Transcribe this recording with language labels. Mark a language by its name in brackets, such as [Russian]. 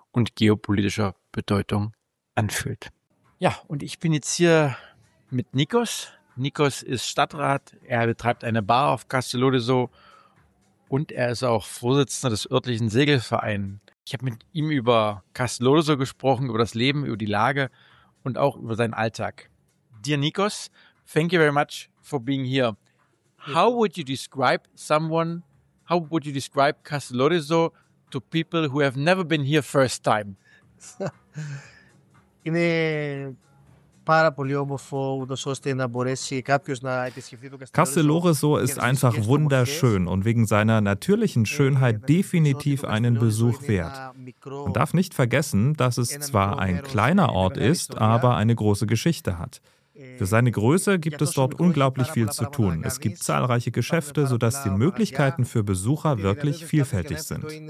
[German] und geopolitischer Bedeutung anfühlt. Ja, und ich bin jetzt hier mit Nikos. Nikos ist Stadtrat, er betreibt eine Bar auf Kastelodeso und er ist auch Vorsitzender des örtlichen Segelvereins. Ich habe mit ihm über Kastelodeso gesprochen, über das Leben, über die Lage und auch über seinen Alltag. [English] Dear Nikos, thank you very much for being here. How would you describe someone, how would you describe Kastelodeso to people who have never been here first time? [Greek] Είναι πάρα πολύ όμορφο, ούτως ώστε να μπορέσει κάποιος να επισκεφθεί το [German] Kastelodeso ist einfach wunderschön und wegen seiner natürlichen Schönheit definitiv einen Besuch wert. Man darf nicht vergessen, dass es zwar ein kleiner Ort ist, aber eine große Geschichte hat. Für seine Größe gibt es dort unglaublich viel zu tun. Es gibt zahlreiche Geschäfte, sodass die Möglichkeiten für Besucher wirklich vielfältig sind.